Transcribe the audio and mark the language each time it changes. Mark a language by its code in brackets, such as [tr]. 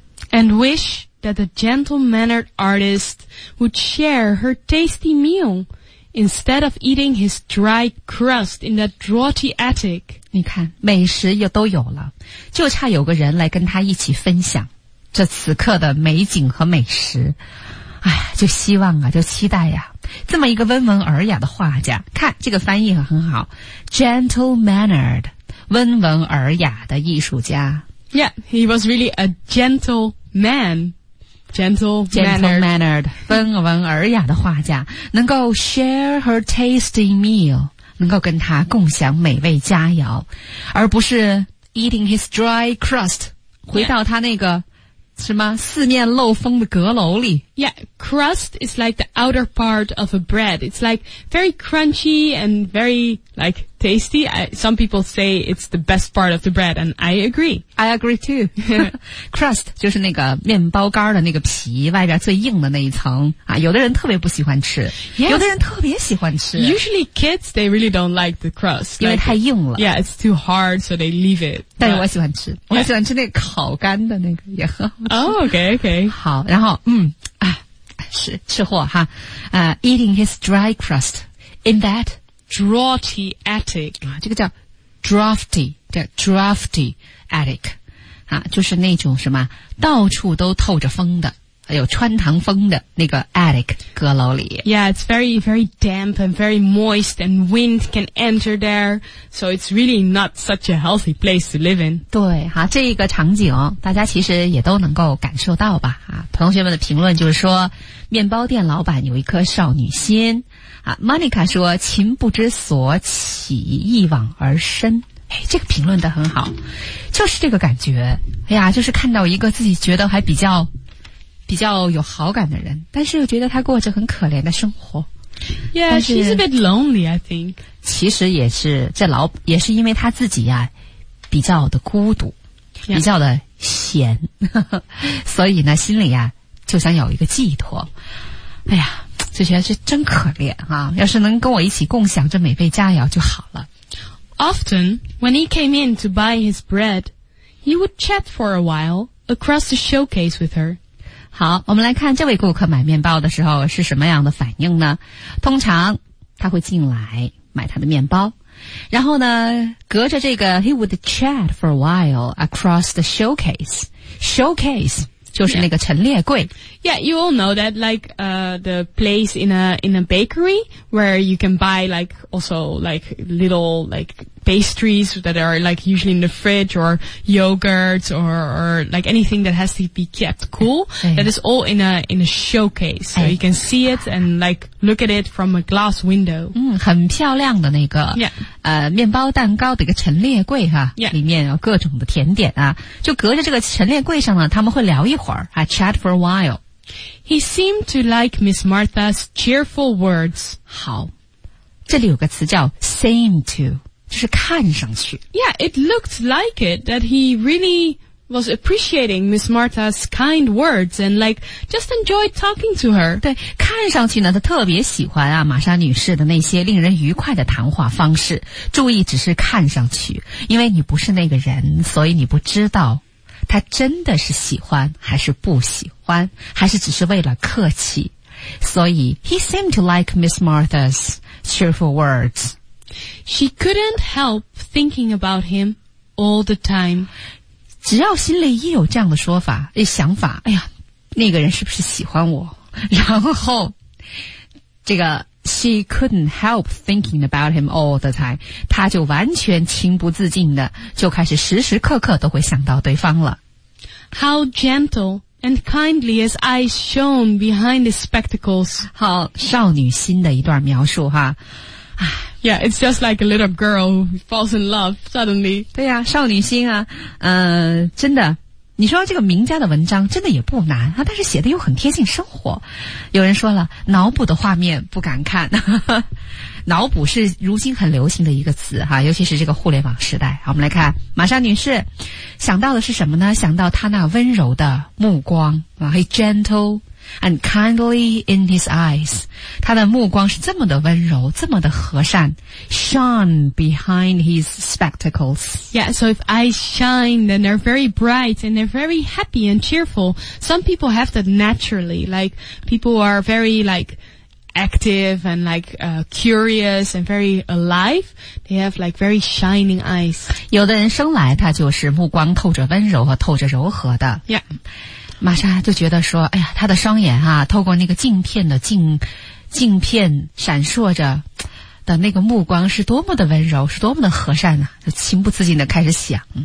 [en] And wish that the gentle-mannered artist would share her tasty meal. Instead of eating his dry crust in that draughty attic. [zh] 你看美食也都有了就差有个人来跟他一起分享这此刻的美景和美食。哎，就希望啊，就期待呀、啊。这么一个温文尔雅的画家，看这个翻译很好 ，gentle-mannered， 温文尔雅的艺术家。 [en] Yeah, he was really a gentle man. Gentle-mannered, [zh] 温文尔雅的画家，能够 [en] share her tasty meal， [zh] 能够跟他共享美味佳肴，而不是 [en] eating his dry crust， [zh] 回到他那个。什么四面漏风的阁楼里 [en] Yeah, crust is like the outer part of a bread. It's like very crunchy and very like tasty. Some people say it's the best part of the bread and I agree. I agree too. [zh] Crust 就是那个面包干的那个皮外边最硬的那一层啊，有的人特别不喜欢吃、 [en] yes. [zh] 有的人特别喜欢吃 [en] Usually kids, they really don't like the crust. [zh] 因为太硬了 [en] Yeah, it's too hard, so they leave it. [zh] 但是我喜欢吃、yeah. 我喜欢吃那个烤干的那个也很好吃 [en] Oh, okay, okay. [zh] 好然后是吃货哈、 [en] eating his dry crust in that draughty attic、 [zh] 啊、这个叫 drafty 叫 [en] drafty attic、 [zh] 啊、就是那种什么到处都透着风的有穿堂风的那个 attic 阁楼里 [en] Yeah, it's very very damp and very moist and wind can enter there so it's really not such a healthy place to live in [zh] 对、啊、这个场景大家其实也都能够感受到吧、啊、同学们的评论就是说面包店老板有一颗少女心啊 ，Monica 说：“情不知所起，一往而深。” 哎，这个评论的很好，就是这个感觉。哎呀，就是看到一个自己觉得还比较有好感的人，但是又觉得他过着很可怜的生活。 [en] Yeah, she's a bit lonely, I think. [zh] 其实也是这老也是因为他自己呀、啊，比较的孤独， [en] yeah. [zh] 比较的闲，所以呢，心里呀、啊、就想有一个寄托。哎呀。就觉得这真可怜啊！要是能跟我一起共享这美味佳肴就好了。 [en] Often, when he came in to buy his bread, he would chat for a while across the showcase with her. [zh] 好，我们来看这位顾客买面包的时候是什么样的反应呢？通常他会进来买他的面包，然后呢，隔着这个 [en] he would chat for a while across the showcase. [zh] Showcase. 就是那个陈列柜。 [en] Yeah, you all know that, like, the place in a bakery where you can buy, like, also, like, little, like, pastries that are, like, usually in the fridge or yogurts or, like, anything that has to be kept cool. That is all in a showcase. So you can see it and, like, look at it from a glass window. [zh] 很漂亮的那个。 [en] Yeah. [zh] 面包蛋糕的一个陈列柜哈。 [en] Yeah. [zh] 里面有各种的甜点啊。就隔着这个陈列柜上呢他们会聊一会儿啊 [en] chat for a while. He seemed to like Miss Martha's cheerful words. [zh] 好，这里有个词叫 seem to， 就是看上去。 [en] Yeah, it looked like it that he really was appreciating Miss Martha's kind words and like just enjoyed talking to her. [zh] 对，看上去呢，他特别喜欢啊玛莎女士的那些令人愉快的谈话方式。注意，只是看上去，因为你不是那个人，所以你不知道。他真的是喜欢还是不喜欢还是只是为了客气所以 [en] He seemed to like Miss Martha's cheerful words She couldn't help thinking about him all the time [zh] 只要心里一有这样的说法想法哎呀那个人是不是喜欢我然后这个 [en] She couldn't help thinking about him all the time [zh] 他就完全情不自禁的就开始时时刻刻都会想到对方了 [en] How gentle and kindly his eyes shone behind his spectacles. [zh] 好，少女心的一段描述哈。 [en] Yeah, it's just like a little girl who falls in love suddenly. [zh] 对呀、啊，少女心啊，真的，你说这个名家的文章真的也不难啊，但是写的又很贴近生活。有人说了，脑补的画面不敢看。脑补是如今很流行的一个词哈，尤其是这个互联网时代。好，我们来看玛莎女士想到的是什么呢？想到她那温柔的目光啊 ， [en] he gentle and kindly in his eyes， [zh] 她的目光是这么的温柔，这么的和善 ， [en] shone behind his spectacles。 Yeah, so if eyes shine, then they're very bright and they're very happy and cheerful. Some people have that naturally, like people are very like active and like curious and very alive they have like very shining eyes [zh] 有的人生来他就是目光透着温柔和透着柔和的 [en] yeah [zh] 玛莎就觉得说，哎呀，她的双眼啊，透过那个镜片的镜片闪烁着的那个目光是多么的温柔，是多么的和善啊，就情不自禁的开始想。